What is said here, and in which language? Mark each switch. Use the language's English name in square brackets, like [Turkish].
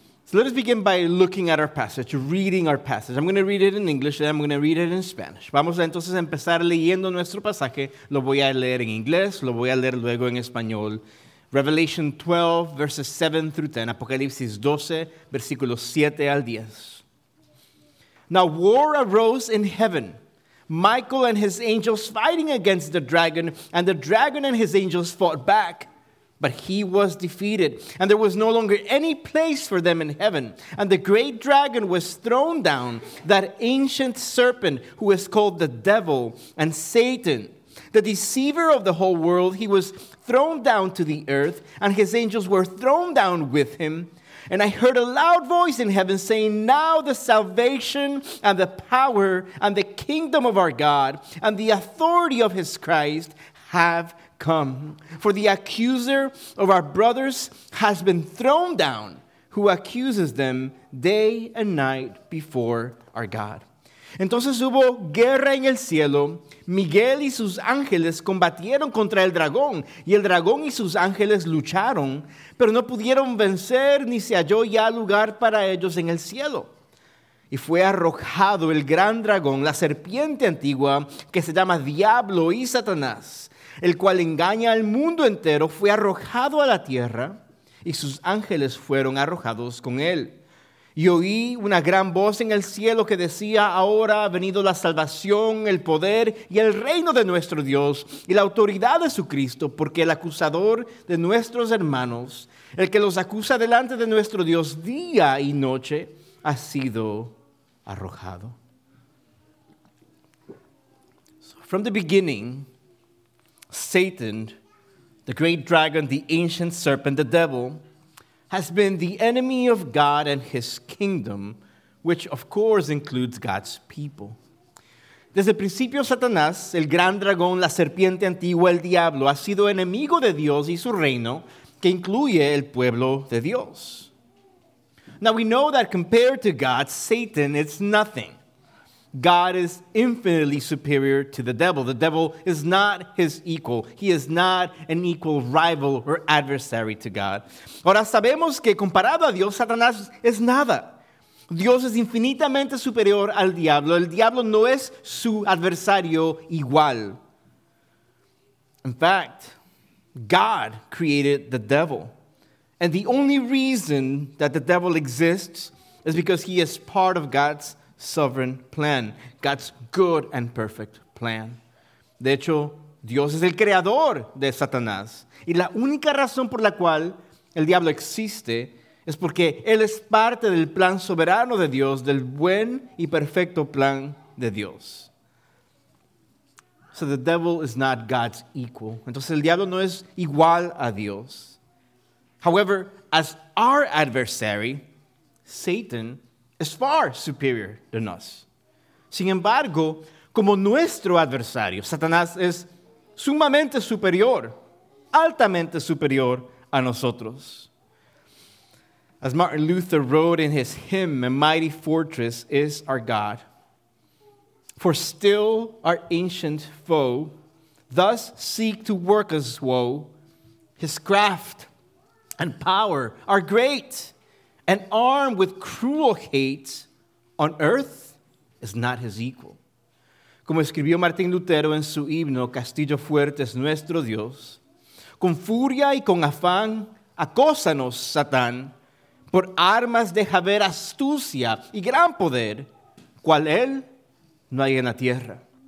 [English] So let us begin by looking at our passage, reading our passage. I'm going to read it in English and I'm going to read it in Spanish. [Spanish] Vamos a entonces empezar leyendo nuestro pasaje. Lo voy a leer en inglés, lo voy a leer luego en español. [English] Revelation 12, verses 7 through 10. [Spanish] Apocalipsis 12, versículos 7 al 10. [English] Now war arose in heaven. Michael and his angels fighting against the dragon, and the dragon and his angels fought back. But he was defeated, and there was no longer any place for them in heaven. And the great dragon was thrown down, that ancient serpent who is called the devil and Satan, the deceiver of the whole world. He was thrown down to the earth, and his angels were thrown down with him. And I heard a loud voice in heaven saying, now the salvation and the power and the kingdom of our God and the authority of his Christ have come, for the accuser of our brothers has been thrown down, who accuses them day and night before our God. [Spanish] Entonces hubo guerra en el cielo. Miguel y sus ángeles combatieron contra el dragón, y el dragón y sus ángeles lucharon, pero no pudieron vencer, ni se halló ya lugar para ellos en el cielo. Y fue arrojado el gran dragón, la serpiente antigua, que se llama Diablo y Satanás, el cual engaña al mundo entero, fue arrojado a la tierra, y sus ángeles fueron arrojados con él. Y oí una gran voz en el cielo que decía, ahora ha venido la salvación, el poder y el reino de nuestro Dios, y la autoridad de su Cristo, porque el acusador de nuestros hermanos, el que los acusa delante de nuestro Dios día y noche, ha sido arrojado. [English] So from the beginning, Satan, the great dragon, the ancient serpent, the devil, has been the enemy of God and his kingdom, which of course includes God's people. [Spanish] Desde el principio, Satanás, el gran dragón, la serpiente antigua, el diablo, ha sido enemigo de Dios y su reino, que incluye el pueblo de Dios. [English] Now we know that compared to God, Satan is nothing. God is infinitely superior to the devil. The devil is not his equal. He is not an equal rival or adversary to God. [Spanish] Ahora sabemos que comparado a Dios, Satanás es nada. Dios es infinitamente superior al diablo. El diablo no es su adversario igual. [English] In fact, God created the devil. And the only reason that the devil exists is because he is part of God's sovereign plan, God's good and perfect plan. [Spanish] De hecho, Dios es el creador de Satanás. Y la única razón por la cual el diablo existe es porque él es parte del plan soberano de Dios, del buen y perfecto plan de Dios. [English] So the devil is not God's equal. [Spanish] Entonces el diablo no es igual a Dios. [English] However, as our adversary, Satan is far superior than us. [Spanish] Sin embargo, como nuestro adversario, Satanás es sumamente superior, altamente superior a nosotros. [English] As Martin Luther wrote in his hymn, A Mighty Fortress is Our God, For still our ancient foe thus seek to work us woe. His craft and power are great, and armed with cruel hate, on earth is not his equal. [Spanish] Como escribió Martín Lutero en su himno, Castillo Fuerte es nuestro Dios. Con furia y con afán, acósanos, Satán, por armas de haber astucia y gran poder, cual él no hay en la tierra.